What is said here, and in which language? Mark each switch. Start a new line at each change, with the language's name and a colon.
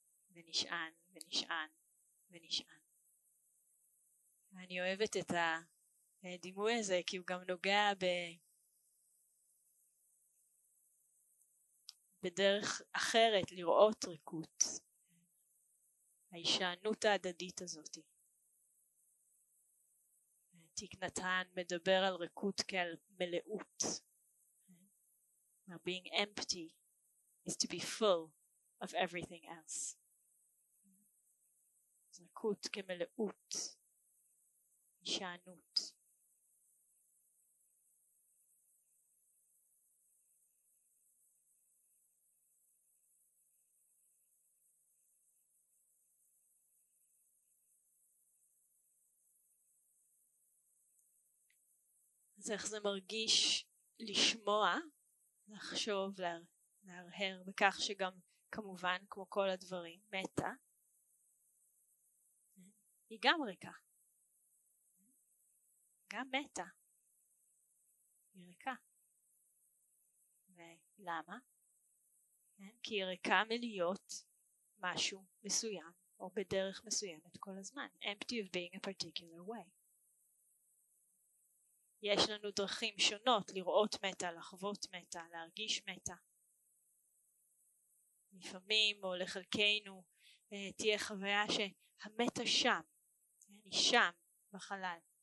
Hebrew: ונשען, ונשען, ונשען. ואני אוהבת את הדימוי הזה, כי הוא גם נוגע בדרך אחרת לראות ריקות. ההישענות ההדדית הזאת. תיק נתן מדבר על ריקות כעל מלאות.
English: Now being empty is to be full of everything else.
Hebrew: ריקות כמלאות, הישענות. זה איך זה מרגיש לשמוע, לחשוב, להרהר בכך שגם כמובן כמו כל הדברים, מתה, היא גם ריקה. גם מתה. היא ריקה. ולמה? כי היא ריקה מלהיות משהו מסוים, או בדרך מסוימת כל הזמן.
English: Empty of being a particular way.
Hebrew: יש לנו דרכים שונות לראות מתה, לחוות מתה, להרגיש מתה. לפעמים או לחלקנו תהיה חוויה שהמתה שם, אני שם בחלל.